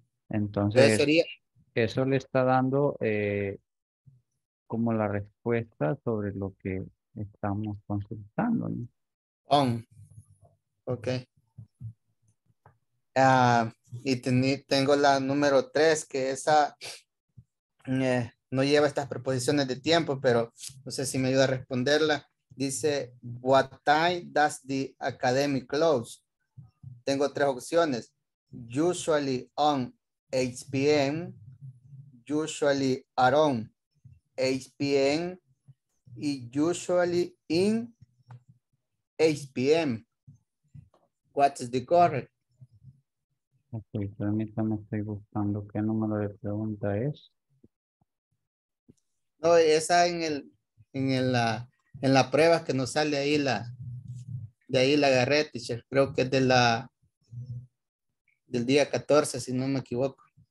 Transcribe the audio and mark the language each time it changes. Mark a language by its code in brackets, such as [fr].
[es] Entonces sería, eso le está dando como la respuesta sobre lo que estamos consultando, ¿no? On. Ok. Y tengo la número tres, que esa no lleva estas preposiciones de tiempo, pero no sé si me ayuda a responderla. Dice, [en] what time does the academy close? [es] Tengo tres opciones. [en] Usually on 8 p.m., usually around 8 p.m., [es] y [en] usually in 8 p.m. What is the correct? [es] Ok, permítame, estoy buscando qué número de pregunta es. No, esa en la prueba que nos sale ahí la, De ahí la agarré, teacher. Creo que es de la del día 14, si no me equivoco.